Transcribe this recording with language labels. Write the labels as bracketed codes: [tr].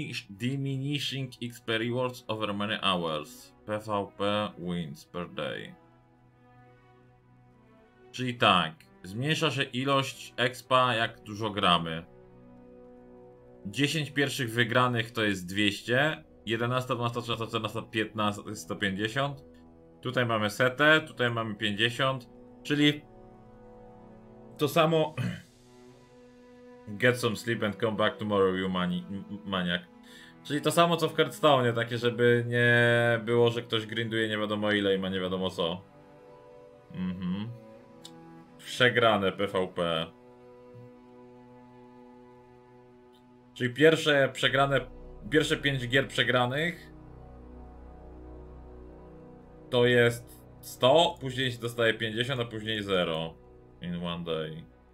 [en] Diminishing XP rewards over many hours. PvP wins per day. [pl] Czyli tak, zmniejsza się ilość XP, jak dużo gramy. 10 pierwszych wygranych to jest 200. 11, 12, 13, 14, 15, 150. Tutaj mamy setę, tutaj mamy 50. Czyli... to samo. [en] Get some sleep and come back tomorrow, you maniac. [pl] Czyli to samo co w Hearthstone, takie żeby nie było, że ktoś grinduje nie wiadomo ile i ma nie wiadomo co. Mhm. Przegrane PvP. Czyli pierwsze przegrane, pierwsze 5 gier przegranych to jest 100, później się dostaje 50, a później 0. [en] In one day.